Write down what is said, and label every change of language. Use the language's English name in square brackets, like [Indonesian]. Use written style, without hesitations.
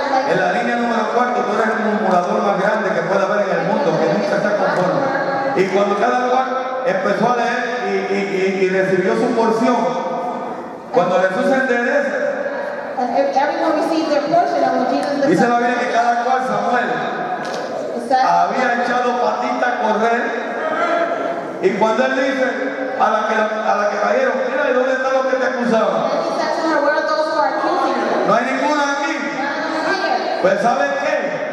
[Spanish] En la línea número cuatro, tú eres el murmurador más grande que pueda haber en el mundo, que nunca está conforme. Y cuando cada cual empezó a leer y recibió su porción, cuando Jesús se enderece. [English] And everyone received their portion, and when Jesus [Spanish] dice la Biblia que cada cual, Samuel, había echado patita a correr. Y cuando él dice a la que cayeron, mira, ¿y dónde están los que te acusaban? No hay ninguna aquí. Pues ¿sabes qué?